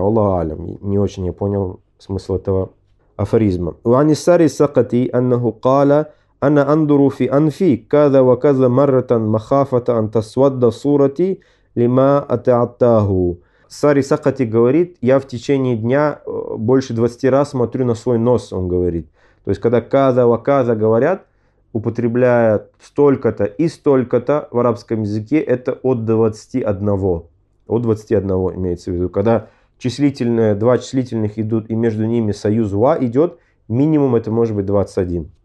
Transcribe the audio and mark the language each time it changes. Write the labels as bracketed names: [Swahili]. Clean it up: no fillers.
[Russian] Валлаху алям, не очень я понял смысл этого афоризма. [Arabic] وعن السار السقطي أنه قال أنا أنظر في أنفي كذا وكذا مرة مخافة أن تسود صورتي لما أتعطاه. [Russian] Сари Сакати говорит, я в течение дня больше 20 раз смотрю на свой нос, он говорит. То есть, когда каза ва каза говорят, употребляя столько-то и столько-то в арабском языке, это от 21. От 21 имеется в виду. Когда числительные, два числительных идут, и между ними союз ва идет, минимум это может быть 21.